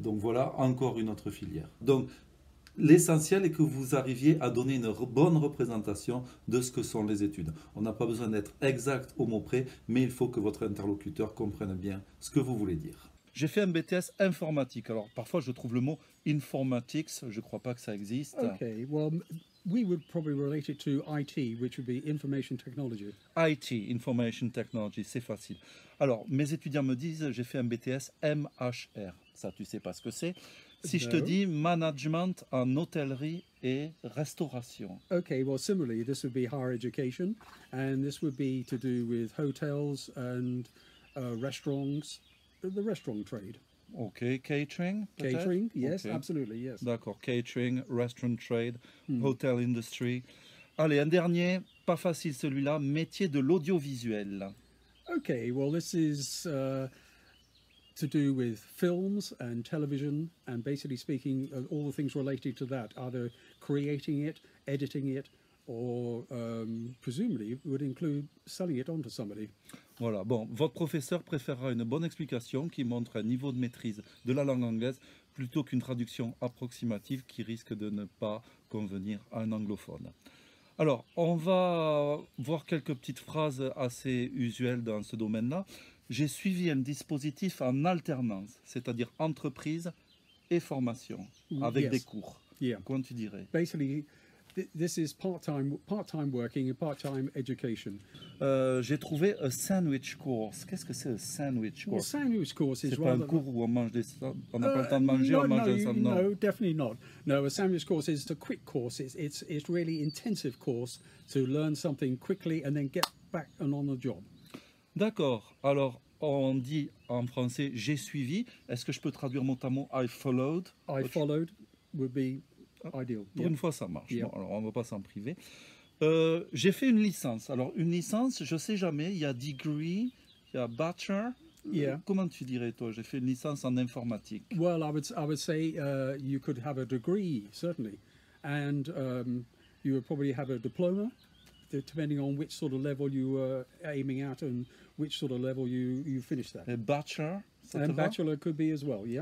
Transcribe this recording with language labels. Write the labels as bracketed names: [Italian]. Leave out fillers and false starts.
[French] Donc voilà encore une autre filière. Donc l'essentiel est que vous arriviez à donner une bonne représentation de ce que sont les études. On n'a pas besoin d'être exact au mot près, mais il faut que votre interlocuteur comprenne bien ce que vous voulez dire. J'ai fait un BTS informatique. Alors, parfois, je trouve le mot informatics. Je ne crois pas que ça existe. [English] OK. Well, we would probably relate it to IT, which would be information technology. IT, information technology, [French] c'est facile. Alors, mes étudiants me disent, j'ai fait un BTS MHR. Ça, tu ne sais pas ce que c'est. Si je te dis management en hôtellerie et restauration. [English] Okay, well, similarly, this would be higher education, and this would be to do with hotels and restaurants, the restaurant trade. Okay, catering. Catering, yes, okay. Absolutely, yes. D'accord, catering, restaurant trade, hotel industry. [French] Allez, un dernier, pas facile celui-là, métier de l'audiovisuel. [English] Okay, well, this is to do with films and television, and basically speaking, all the things related to that, either creating it, editing it, or presumably would include selling it on to somebody. [French] Voilà, bon, votre professeur préférera une bonne explication qui montre un niveau de maîtrise de la langue anglaise plutôt qu'une traduction approximative qui risque de ne pas convenir à un anglophone. Alors, on va voir quelques petites phrases assez usuelles dans ce domaine-là. J'ai suivi un dispositif en alternance, c'est-à-dire entreprise et formation, avec des cours. [English] Yeah. [French] Comment tu dirais? [English] Basically, this is part-time working and part-time education. [French] J'ai trouvé un sandwich course. Qu'est-ce que c'est un sandwich course? [English] Well, sandwich course [French] c'est pas un cours où on mange des sandwichs. On n'a pas le temps de manger, on mange un sandwich. [English] No, definitely not. No, a sandwich course is a quick course. It's really intensive course to learn something quickly and then get back and on the job. [French] D'accord. Alors, on dit en français, j'ai suivi. Est-ce que je peux traduire mot à mot, [English] I followed? I followed would be ideal. [French] Pour une fois, ça marche. Yeah. Bon, alors, on ne va pas s'en priver. J'ai fait une licence. Alors, une licence, je ne sais jamais. Il y a degree, il y a bachelor. [English] Yeah. [French] Comment tu dirais, toi, j'ai fait une licence en informatique? [English] Well, I would say you could have a degree, certainly. And you would probably have a diploma. Depending on which sort of level you were aiming at and which sort of level you finished that. [French] Et bachelor, ça [English] and bachelor could be as well, yeah,